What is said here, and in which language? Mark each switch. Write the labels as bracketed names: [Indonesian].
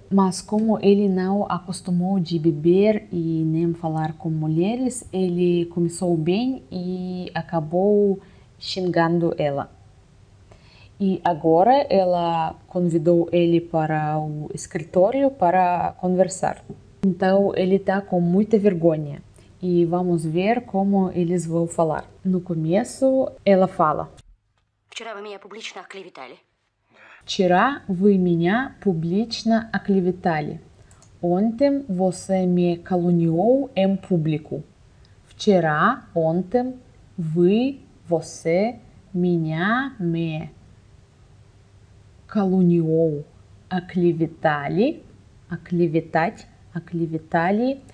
[Portuguese] Mas como ele não acostumou de beber e nem falar com mulheres, ele começou bem e acabou xingando ela. E agora ela convidou ele para o escritório para conversar. Então ele está com muita vergonha. E vamos ver como eles vão falar. No começo, ela fala: [Russian] Вчера вы меня публично оклеветали. Вчера вы меня публично оклеветали. [Portuguese] Ontem você me caluniou em público. [Russian] Вчера, [Portuguese] ontem, [Russian] вы, [Portuguese] você, [Russian] меня, [Portuguese] me caluniou, [Russian] оклеветали, оклеветать, оклеветали.